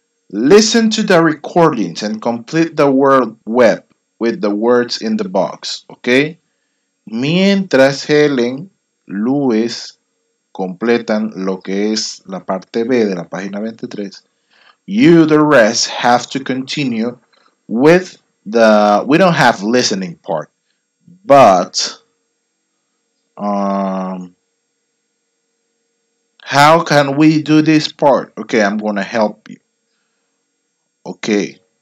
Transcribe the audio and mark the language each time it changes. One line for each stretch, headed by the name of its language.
English: Listen to the recordings and complete the word web with the words in the box. Okay.
Spanish: Mientras Helen, Luis, completan lo que es la parte B de la página 23.
English: You, the rest, have to continue with the... We don't have listening part, but... how can we do this part? Okay, I'm going to help you. Okay.